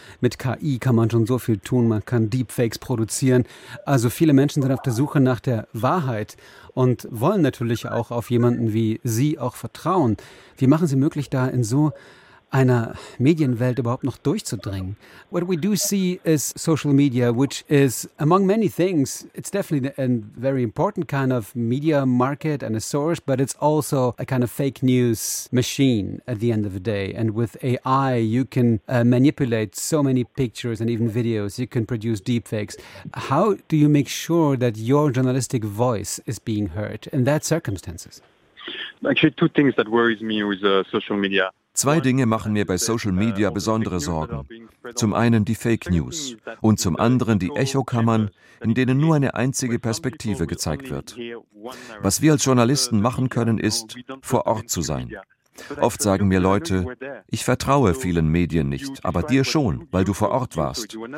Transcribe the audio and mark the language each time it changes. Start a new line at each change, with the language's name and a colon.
German: Mit KI kann man schon so viel tun, man kann Deepfakes produzieren. Also viele Menschen sind auf der Suche nach der Wahrheit und wollen natürlich auch auf jemanden wie Sie auch vertrauen. Wie machen Sie möglich, da in so einer Medienwelt überhaupt noch durchzudringen?
English: What we do see is social media, which is among many things, it's definitely a very important kind of media market and a source, but it's also a kind of fake news machine at the end of the day. And with AI, you can manipulate so many pictures and even videos, you can produce deepfakes. How do you make sure that your journalistic voice is being heard in that circumstances? Actually, two things that worries me with social media.
German: Zwei Dinge machen mir bei Social Media besondere Sorgen. Zum einen die Fake News und zum anderen die Echokammern, in denen nur eine einzige Perspektive gezeigt wird. Was wir als Journalisten machen können, ist, vor Ort zu sein. Oft sagen mir Leute, ich vertraue vielen Medien nicht, aber dir schon, weil du vor Ort warst.